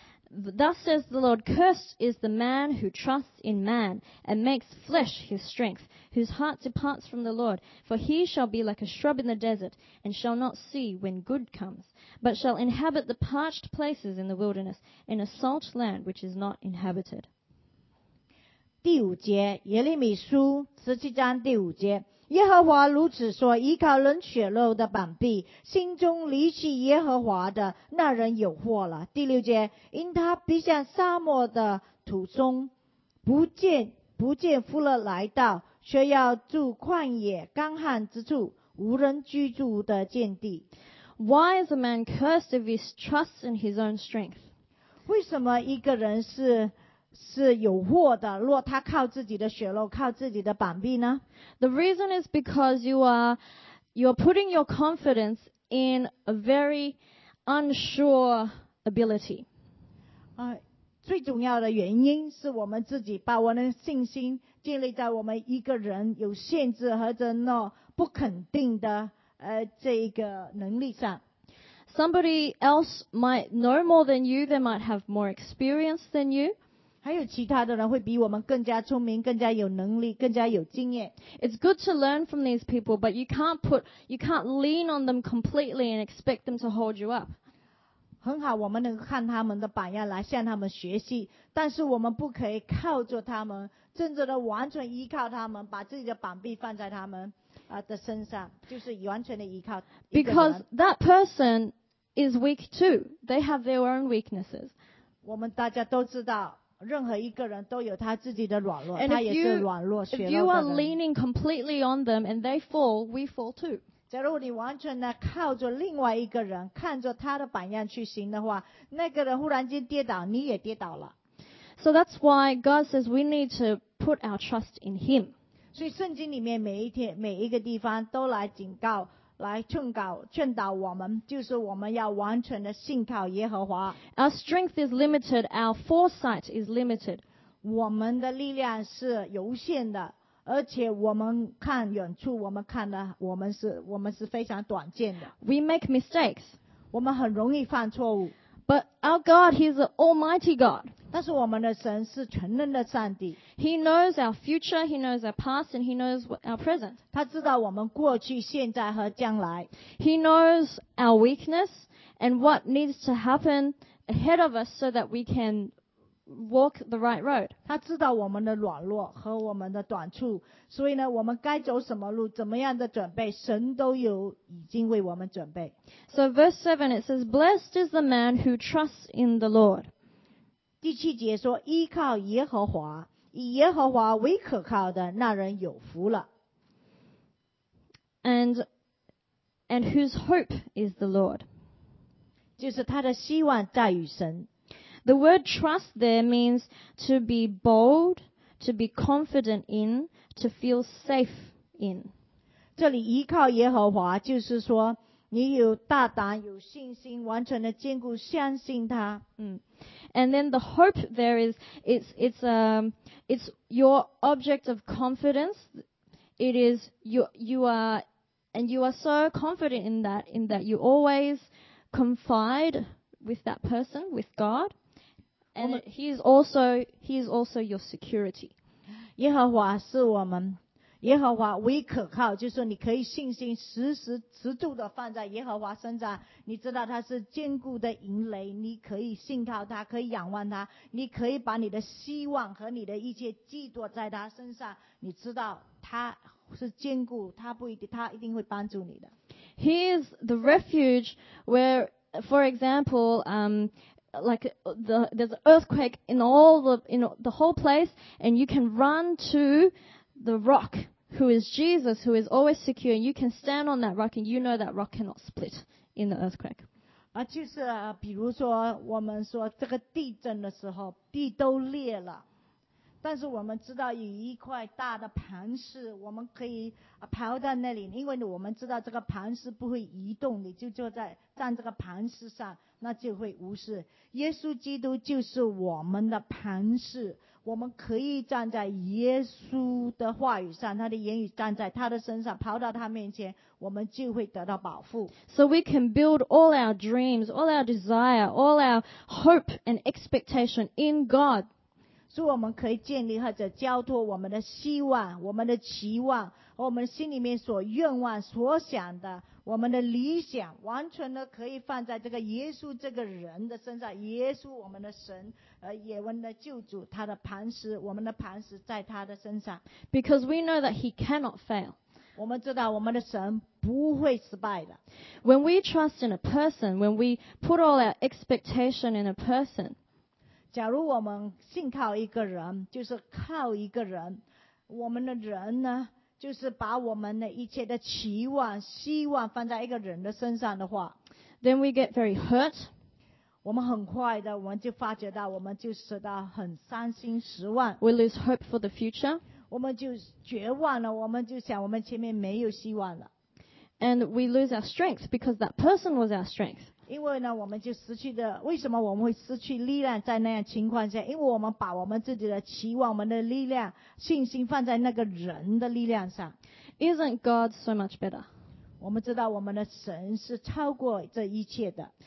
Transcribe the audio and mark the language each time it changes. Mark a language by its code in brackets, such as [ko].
[en] Thus says the Lord, cursed is the man who trusts in man and makes flesh his strength, whose heart departs from the Lord. For he shall be like a shrub in the desert and shall not see when good comes, but shall inhabit the parched places in the wilderness, in a salt land which is not inhabited. [zh] 第五节，耶利米书十七章第五节，耶和华如此说，依靠人血肉的膀臂，心中离弃耶和华的那人有祸了。第六节，因他必像沙漠的土中，不见福乐来到，却要住旷野干旱之处，无人居住的贱地。 [en] Why is a man cursed if he trusts in his own strength? [zh] 为什么一个人是有祸的，若他靠自己的血肉，靠自己的膀臂呢？ [en] The reason is because you are putting your confidence in a very unsure ability. [zh] 最重要的原因是我们自己把我们的信心建立在我们一个人有限制和者那不肯定的这一个能力上。 [en] Somebody else might know more than you, they might have more experience than you. [zh] 还有其他的人会比我们更加聪明，更加有能力，更加有经验。 [en] It's good to learn from these people, but you can't lean on them completely and expect them to hold you up. [zh] 很好，我们能看他们的榜样来向他们学习，但是我们不可以靠着他们，真正的完全依靠他们，把自己的膀臂放在他们的身上，就是完全的依靠。 [en] Because that person is weak too. They have their own weaknesses. [zh] 我们大家都知道。任何一个人都有他自己的软弱，他也是软弱、血弱的人。 [en] If you are leaning completely on them and they fall, we fall too. [zh] 假如你完全的靠着另外一个人，看着他的榜样去行的话，那个人忽然间跌倒，你也跌倒了。 [en] So that's why God says we need to put our trust in Him. [zh] 所以圣经里面每一天、每一个地方都来警告。来劝导我们，就是我们要完全的信靠耶和华。 [en] Our strength is limited, our foresight is limited. [zh] 我们的力量是有限的，而且我们看远处，我们看的我们是非常短见的。 [en] We make mistakes. [zh] 我们很容易犯错误。 [en] But our God, He's an Almighty God. [zh] 但是我们的神是全能的上帝。 [en] He knows our future, He knows our past, and He knows our present. [zh] 他知道我们过去、现在和将来。 [en] He knows our weakness and what needs to happen ahead of us so that we can walk the right road. [zh] 他知道我们的软弱和我们的短处，所以呢，我们该走什么路，怎么样的准备，神都有已经为我们准备。 [en] So verse 7 it says, Blessed is the man who trusts in the Lord. [zh] 第七节说，依靠耶和华，以耶和华为可靠的那人有福了。 [en] And whose hope is the Lord. [zh] 就是他的希望在于神。 [en] The word trust there means to be bold, to be confident in, to feel safe in. [zh] 这里依靠耶和华就是说你有大胆有信心完成的坚固相信他。 [en] And then the hope there is, it's your object of confidence. It is you are so confident in that you always confide with that person, with God. And he is also your security. [zh] 耶和华是我们耶和华唯可靠，就是说你可以信心时时持住的放在耶和华身上，你知道他是坚固的营垒，你可以信靠他，可以仰望他，你可以把你的希望和你的一切寄托在他身上，你知道他是坚固，他一定会帮助你的。 [en] He is the refuge where, for example, like there's an earthquake in the whole place, and you can run to the rock who is Jesus, who is always secure, and you can stand on that rock and you know that rock cannot split in the earthquake. [zh] 就是比如说我们说这个地震的时候地都裂了，但是我们知道有一块大的磐石，我们可以跑到那里，因为我们知道这个磐石不会移动，你就站这个磐石上，那就会无事。耶稣基督就是我们的磐石，我们可以站在耶稣的话语上，他的言语，站在他的身上，跑到他面前，我们就会得到保护。 [en] So we can build all our dreams, all our desire, all our hope and expectation in God. [zh] 所以我们可以建立或者交托我们的希望、我们的期望和我们心里面所愿望、所想的，我们的理想完全的可以放在这个耶稣这个人的身上。耶稣我们的神，也我们的救主，他的磐石，我们的磐石在他的身上。 [en] Because we know that he cannot fail. [zh] 我们知道我们的神不会失败的。 [en] When we trust in a person, when we put all our expectation in a person, [zh] 假如我们信靠一个人，就是靠一个人，我们的人呢？就是把我们的一切的期望、希望放在一个人的身上的话 [en] ，then we get very hurt。 [zh] 我们很快的，我们就发觉到，我们就使得很伤心失望。 [en] We lose hope for the future。 [zh] 我们就绝望了，我们就想我们前面没有希望了。 [en] And we lose our strength because that person was our strength。 [zh] 因为呢，我们就失去的，为什么我们会失去力量在那样情况下？因为我们把我们自己的期望、我们的力量、信心放在那个人的力量上。 [en] Isn't God so much better? [zh] 我们知道我们的神是超过这一切的。